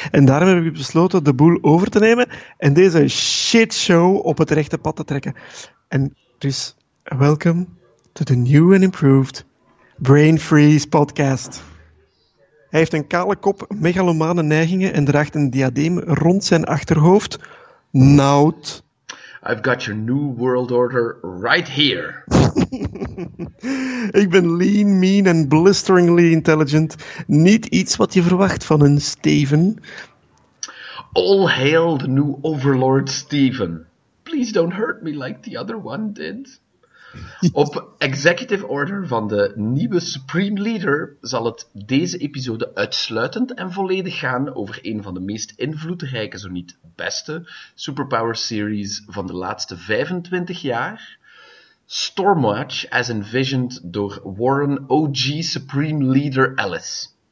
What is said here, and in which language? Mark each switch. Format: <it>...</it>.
<nl>En daarom heb ik besloten de boel over te nemen en deze shitshow op het rechte pad te trekken. En dus,</nl> <en>welcome to the new and improved Brain Freeze podcast.</en> <nl>Hij heeft een kale kop, megalomane neigingen en draagt een diadeem rond zijn achterhoofd. Nout.</nl> <en>I've got your new world order right here.</en> <nl>Ik ben</nl> <en>lean, mean and blisteringly intelligent.</en> <nl>Niet iets wat je verwacht van een Steven.</nl> <en>All hail the new overlord Steven. Please don't hurt me like the other one did.</en> <nl>Op executive order van de nieuwe Supreme Leader zal het deze episode uitsluitend en volledig gaan over een van de meest invloedrijke, zo niet beste, superpower series van de laatste 25 jaar.</nl> <en>Stormwatch, as envisioned door Warren OG Supreme Leader Ellis.</en>